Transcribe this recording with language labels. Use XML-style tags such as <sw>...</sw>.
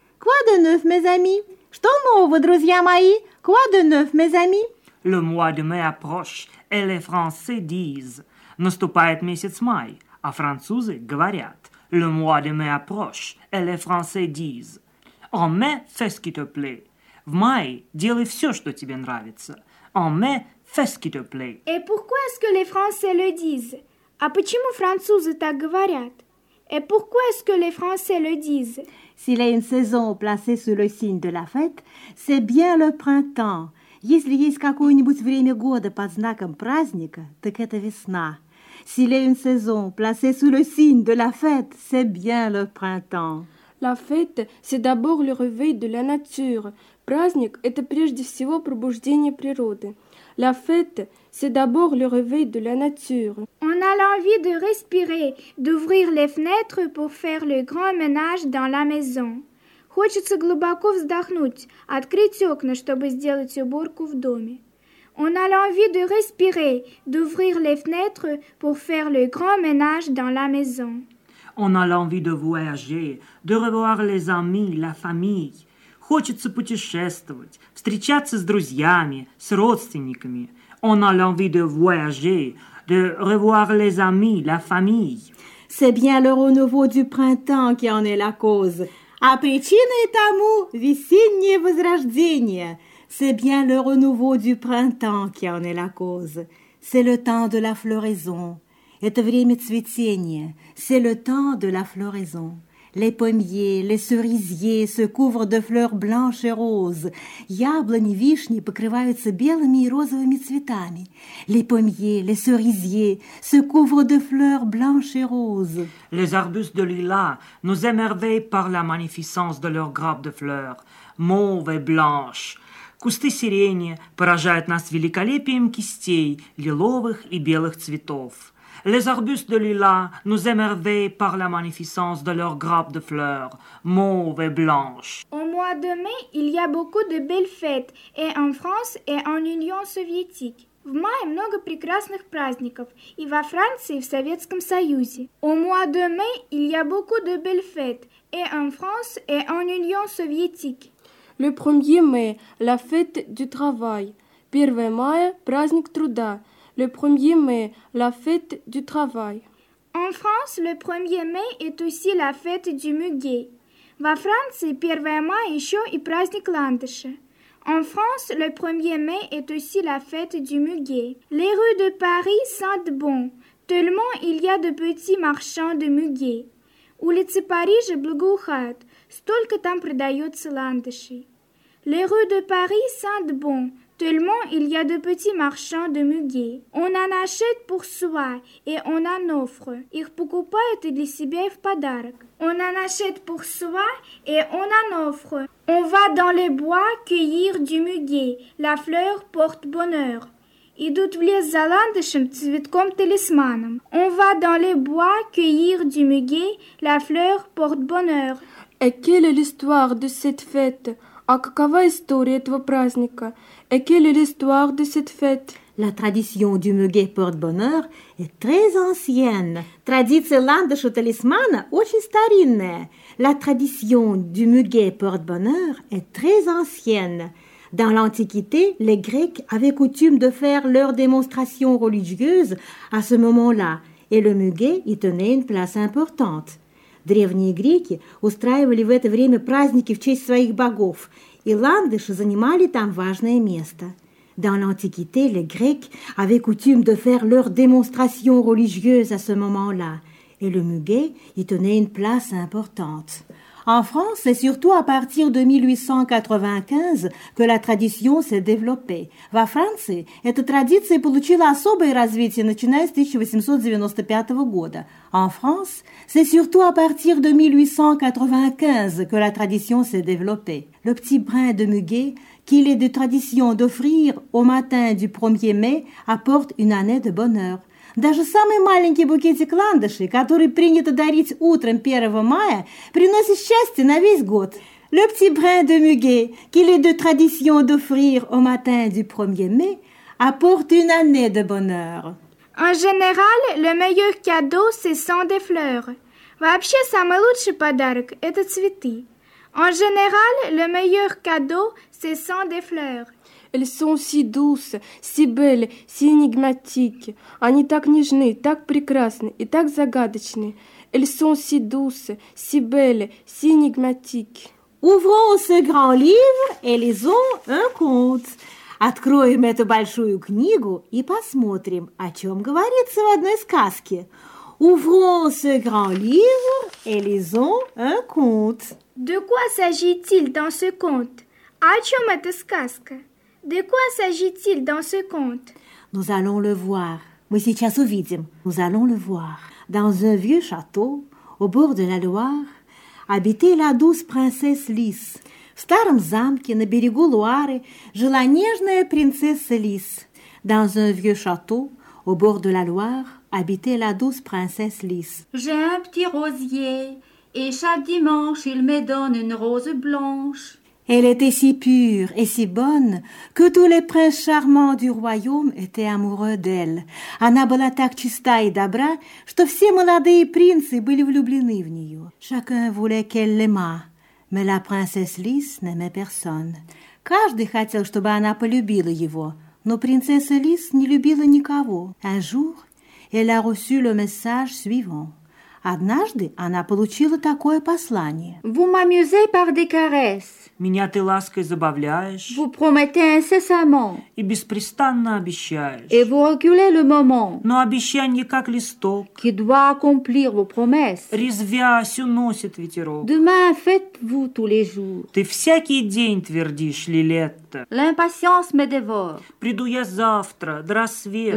<fr>Quoi de neuf, mes amis?</fr> <ru>Что нового, друзья мои?</ru> <fr>Quoi de neuf, mes amis? Le mois de mai approche et les Français disent</fr> <ru>«Наступает месяц май», а французы говорят</ru> <fr>«Le mois de mai approche et les Français disent «En mai, fais ce qui te plaît».</fr> <ru>В мае делай все, что тебе нравится. En mai, fais ce qui te plaît».</ru> <fr>Et pourquoi est-ce que les Français le disent?</fr> <ru>А почему французы так говорят?</ru> <fr>Et pourquoi est-ce que les Français le disent? S'il y a une saison placée sous le signe de la fête, c'est bien le printemps.</fr> <ru>Если есть какое-нибудь время года под знаком праздника, так это весна.</ru> <fr>S'il y a une saison placée sous le signe de la fête, c'est bien le printemps. La fête, c'est d'abord le réveil de la nature.</fr> <ru>Праздник – это прежде всего пробуждение природы.</ru> <fr>La fête, c'est d'abord le réveil de la nature. On a l'envie de respirer, d'ouvrir les fenêtres pour faire le grand ménage dans la maison.</fr> <ru>Хочется глубоко вздохнуть, открыть окна, чтобы сделать уборку в доме.</ru> <fr>On a l'envie de respirer, d'ouvrir les fenêtres pour faire le grand ménage dans la maison. On a l'envie de voyager, de revoir les amis, la famille.</fr> <ru>Хочется путешествовать, встречаться с друзьями, с родственниками.</ru> <fr>On a l'envie de voyager, de revoir les amis, la famille. C'est bien le renouveau du printemps qui en est la cause.</fr> <ru>А причина этому – весеннее возрождение.</ru> <fr>C'est bien le renouveau du printemps qui en est la cause. C'est le temps de la floraison.</fr> <ru>Это время цветения.</ru> <fr>C'est le temps de la floraison. Les pommiers, les cerisiers se couvrent de fleurs blanches et roses.</fr> <ru>Яблони, вишни покрываются белыми и розовыми цветами.</ru> <fr>Les pommiers, les cerisiers se couvrent de fleurs blanches et roses. Les arbustes de lilas nous émerveillent par la magnificence de leurs grappes de fleurs, mauves et blanches.</fr> <ru>Кусты сирени поражают нас великолепием кистей лиловых и белых цветов.</ru> <fr>Les arbustes de lilas nous émerveillent par la magnificence de leurs grappes de fleurs, mauves et blanches. Au mois de mai, il y a beaucoup de belles fêtes, et en France et en Union soviétique.</fr> <ru>В мае много прекрасных праздников, и во Франции, и в Советском Союзе.</ru> <fr>Au mois de mai, il y a beaucoup de belles fêtes, et en France et en Union soviétique. Le 1er mai, la fête du travail.</fr> <ru>1 мая – праздник труда.</ru> <fr>Le 1er mai, la fête du travail. En France, le 1er mai est aussi la fête du muguet.</fr> <ru>Во Франции, 1 мая еще и праздник ландыша.</ru> <fr>En France, le 1er mai est aussi la fête du muguet. Les rues de Paris sentent bon, tellement il y a de petits marchands de muguet.</fr> <ru>Улицы Парижа благоухают, столько там продается ландышей.</ru> <fr>Les rues de Paris sentent bon. Seulement, il y a de petits marchands de muguet. On en achète pour soi et on en offre.</fr> <ru>Их покупают для себя и в подарок.</ru> <fr>On en achète pour soi et on en offre. On va dans les bois cueillir du muguet. La fleur porte bonheur.</fr> <ru>Идут в лес за ландышем, цветком-талисманом.</ru> <fr>On va dans les bois cueillir du muguet. La fleur porte bonheur. Et quelle est l'histoire de cette fête?</fr> <ru>А какова история этого праздника?</ru> <fr>Et quelle est l'histoire de cette fête? La tradition du muguet porte-bonheur est très ancienne.</fr> <ru>Традиция ландыша-талисмана очень старинная.</ru> <fr>La tradition du muguet porte-bonheur est très ancienne. Dans l'Antiquité, les Grecs avaient coutume de faire leurs démonstrations religieuses à ce moment-là, et le muguet y tenait une place importante.</fr> <ru>Древние греки устраивали в это время праздники в честь своих богов, и ландыши занимали там важное место.</ru> <fr>Dans l'Antiquité, les Grecs avaient coutume de faire leurs démonstrations religieuses à ce moment-là, et le muguet y tenait une place importante. En France, c'est surtout à partir de 1895 que la tradition s'est développée.</fr> <ru>Во Франции, эта традиция получила особое развитие, начиная с 1895 года.</ru> <fr>En France, c'est surtout à partir de 1895 que la tradition s'est développée. Le petit brin de muguet, qu'il est de tradition d'offrir au matin du 1er mai, apporte une année de bonheur.</fr> <ru>Даже самый маленький букетик ландышей, который принято дарить утром 1 мая, приносит счастье на весь год.</ru> <fr>Le petit brin de muguet, qu'il est de tradition d'offrir au matin du 1er mai, apporte une année de bonheur. En général, le meilleur cadeau, ce sont des fleurs.</fr> <ru>Вообще, самый лучший подарок – это цветы.</ru> <fr>En général, le meilleur cadeau, ce sont des fleurs. Elles sont si douces, si belles, si énigmatiques.</fr> <ru>Они так нежны, так прекрасны и так загадочны.</ru> <fr>Elles sont si douces, si belles, si énigmatiques. Ouvrons ce grand livre et lisons un conte.</fr> <ru>Откроем эту большую книгу и посмотрим, о чем говорится в одной сказке.</ru> <fr>Ouvrons ce grand livre et lisons un conte. De quoi s'agit-il dans ce conte?</fr> <ru>О чем эта сказка?</ru> <fr>De quoi s'agit-il dans ce conte? Nous allons le voir.</fr> <ru>Мы сейчас увидим.</ru> <fr>Nous allons le voir. Dans un vieux château, au bord de la Loire, habitait la douce princesse Лис.</fr> <ru>В старом замке на берегу Луары жила нежная принцесса Лис.</ru> <fr>Dans un vieux château, au bord de la Loire, habitait la douce princesse Лис. J'ai un petit rosier, et chaque dimanche il me donne une rose blanche. Elle était si pure et si bonne que tous les princes charmants du royaume étaient amoureux d'elle.</fr> <ru>Она была так чиста и добра, что все молодые принцы были влюблены в нее.</ru> <fr>Chacun voulait qu'elle l'aimât, mais la princesse Лис n'aimait personne.</fr> <ru>Каждый хотел, чтобы она полюбила его, но принцесса Лис не любила никого.</ru> <fr>Un jour, elle a reçu le message suivant.</fr> <ru>Однажды она получила такое послание.</ru> <fr>Vous m'amusez par des caresses.</fr> <ru>Меня ты лаской забавляешь.</ru> <fr>Vous promettez incessamment.</fr> <ru>И беспрестанно обещаешь.</ru> <fr>Et vous reculez le moment.</fr> <ru>Но обещание как листок.</ru> <fr>Qui doit accomplir vos promesses.</fr> <ru>Резвясь, уносит ветерок.</ru> <fr>Demain, faites-vous tous les jours.</fr> <ru>Ты всякий день твердишь, Лилетта.</ru> <fr>L'impatience me dévore.</fr> <ru>Приду я завтра, до рассвета.</ru>